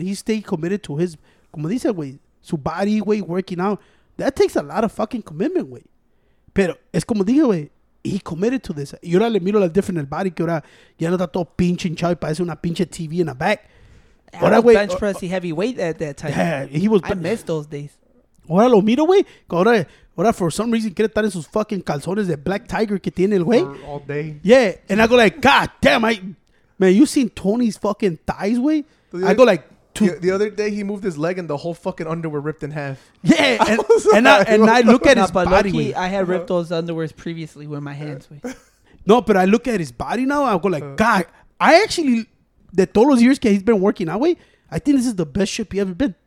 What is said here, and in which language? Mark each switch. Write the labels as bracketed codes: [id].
[en] He stayed committed to his, [es] como dice, [en] güey. Su body weight, working out, that takes a lot of fucking commitment, güey. [es] Pero es como dije, güey, [en] he committed to this. [es] Y ahora le miro la diferencia en el body, que ahora ya no está todo pinche hinchado y parece una pinche TV [en] in the back. What I bench press the heavy weight at that time. Yeah, he was. I missed those days. [es] Ahora lo miro, güey. Ahora, [en] for some reason, [es] quiere estar en sus fucking calzones de Black Tiger que tiene el güey. [en] All day. Yeah, and I go like, God damn, man, you seen Tony's fucking thighs, güey? I go like, the other day he moved his leg and the whole fucking underwear ripped in half. Yeah, and I look at his body. Lucky, I had ripped those underwears previously with my hands. No, but I look at his body now. I go like, God, I actually, the [es] todos los [en] years que he's been working out, way, I think this is the best ship he ever been.